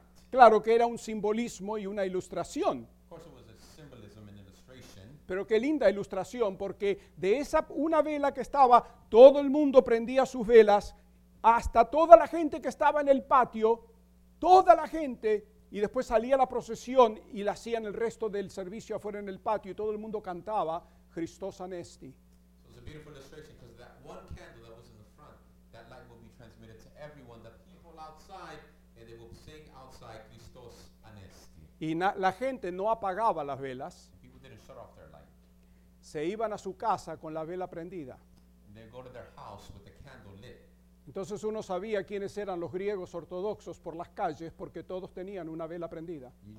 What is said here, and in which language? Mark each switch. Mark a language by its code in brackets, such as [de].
[es] Claro que era un simbolismo y una ilustración. [en] Of course it was a symbolism and illustration. [es] Pero qué linda ilustración, porque de esa una vela que estaba, todo el mundo prendía sus velas, hasta toda la gente que estaba en el patio, toda la gente Y después salía la procesión y la hacían el resto del servicio afuera en el patio y todo el mundo cantaba [el] Christos Anesti. [en] So it's a beautiful illustration because that one candle that was in the front, that light will be transmitted to everyone, the people outside, and they will sing outside [el] Christos Anesti. [es] Y la gente no apagaba las velas. [en] People didn't shut off their light. [es] Se iban a su casa con la vela prendida. [en] And they go to their house with the candle lit. [es] Entonces uno sabía quiénes eran los griegos ortodoxos por las calles porque todos tenían una vela prendida.